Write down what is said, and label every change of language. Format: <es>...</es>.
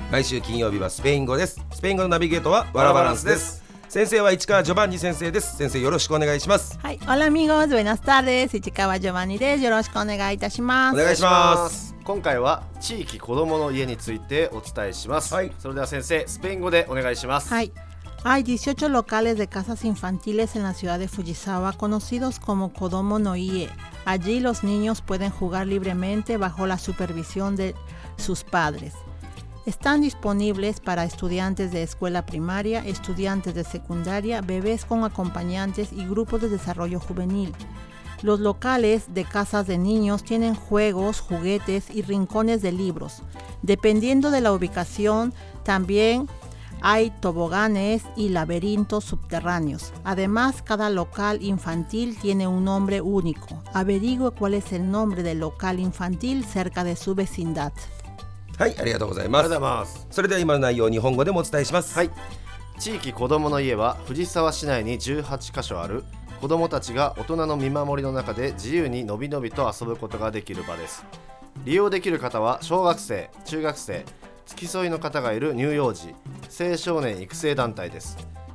<ja>毎週金曜日はスペイン語です。スペイン語のナビゲートはワラバランスです。先生は市川ジョバンニ先生です。先生よろしくお願いします。はい、</ja> <es>オラミゴーズベナスター</es> <ja>です。市川ジョバンニです。よろしくお願いいたします。お願いします。今回は地域子どもの家についてお伝えします。はい、それでは先生スペイン語でお願いします。はい、</ja> <es>Hay 18 locales de casas infantiles en la ciudad de Fujisawa, conocidos como Kodomo no Ie. Allí los niños pueden jugar libremente bajo la supervisión de sus padres. Están disponibles para estudiantes de escuela primaria, estudiantes de secundaria, bebés con acompañantes y grupos de desarrollo juvenil. Los locales de casas de niños tienen juegos, juguetes y rincones de libros. Dependiendo de la ubicación, también hay toboganes y laberintos subterráneos. Además, cada local infantil tiene un nombre único. Averigüe cuál es el nombre del local infantil cerca de su vecindad.</es> <ja>はい、ありがとうございます。ありがとうございます。それでは今の内容を日本語でもお伝えします。はい。地域子どもの家は藤沢市内に18箇所ある。子どもたちが大人の見守りの中で自由にのびのびと遊ぶことができる場です。利用できる方は小学生、中学生、付き添いの方がいる乳幼児、青少年育成団体です。</ja>